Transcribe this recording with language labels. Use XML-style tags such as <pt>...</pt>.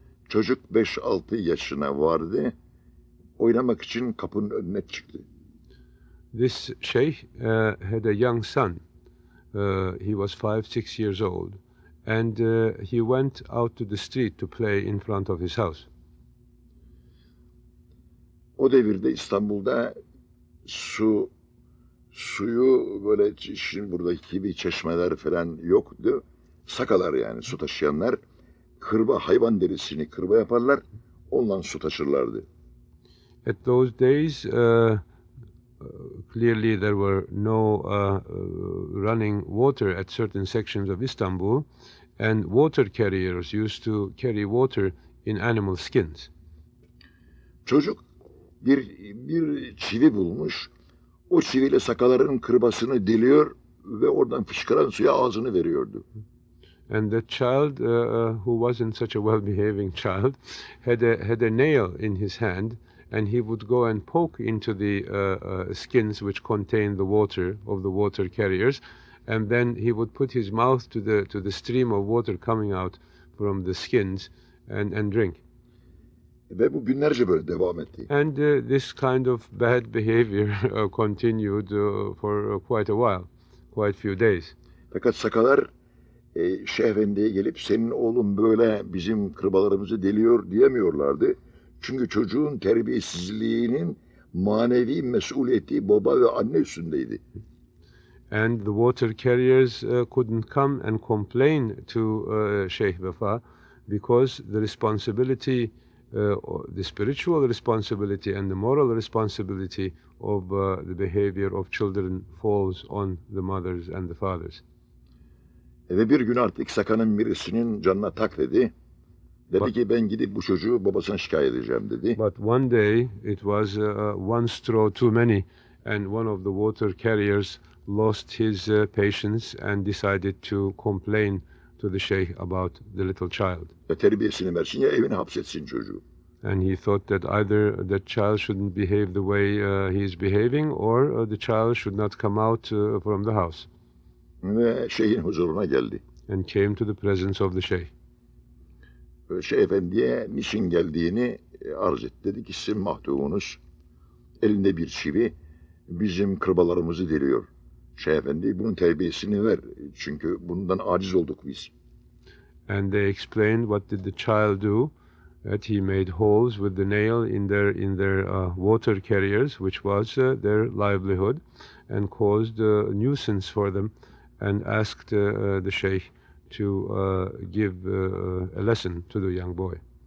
<tr>Çocuk 5-6 yaşına vardı. Oynamak için kapının önüne çıktı.</tr> <en>This Shaykh had a young son. He was 5-6 years old. And he went out to the street to play in front of his house.</en> <tr>O devirde İstanbul'da suyu böyle, şimdi buradaki gibi çeşmeler falan yoktu. Sakalar yani, su taşıyanlar. Kırba, hayvan derisini kırba yaparlar. Ondan su taşırlardı.</tr> <en>At those days, clearly there were no running water at certain sections of Istanbul, and water carriers used to carry water in animal skins.</en> <tr>Çocuk bir çivi bulmuş, o çiviyle sakaların kırbasını deliyor ve oradan fışkıran suya ağzını veriyordu.</tr> <en>And the child who wasn't such a well-behaving child had a nail in his hand, and he would go and poke into the skins which contained the water of the water carriers, and then he would put his mouth to the stream of water coming out from the skins and drink.</en> <tr>Ve bu günlerce böyle devam etti.</tr> <en>And this kind of bad behavior continued for quite a while, quite a few days.</en> <tr>Fakat sakalar Şeyh Efendi'ye gelip, senin oğlun böyle bizim kırbalarımızı deliyor diyemiyorlardı. Çünkü çocuğun terbiyesizliğinin manevi mesuliyeti baba ve anne üstündeydi.</tr> <en>And the water carriers couldn't come and complain to Sheikh Vefa because the responsibility, the spiritual responsibility and the moral responsibility of the behavior of children falls on the mothers and the fathers.</en> <tr>Ve bir gün artık sakanın birisinin canına tak dedi. Dedi ki, ben gidip bu çocuğu babasına şikayet edeceğim dedi.</tr> <en>But one day it was one straw too many, and one of the water carriers lost his patience and decided to complain to the sheikh about the little child.</en> <tr>Ya terbiyesini versin ya evine hapsetsin çocuğu.</tr> <en>And he thought that either that child shouldn't behave the way he is behaving, or the child should not come out from the house.</en> <tr>Ve şeyhin huzuruna geldi.</tr> <en>And came to the presence of the şeyh.</en> <tr>Şeyh efendiye niçin geldiğini arz etti. Dedi ki sizin mahdubunuz elinde bir çivi bizim kırbalarımızı deliyor. Şeyh efendi bunun terbiyesini ver çünkü bundan aciz olduk biz.</tr> <en>And they explained what did the child do? That he made holes with the nail in their water carriers, which was their livelihood, and caused a nuisance for them, and asked the sheikh to give a lesson to the young boy.</en>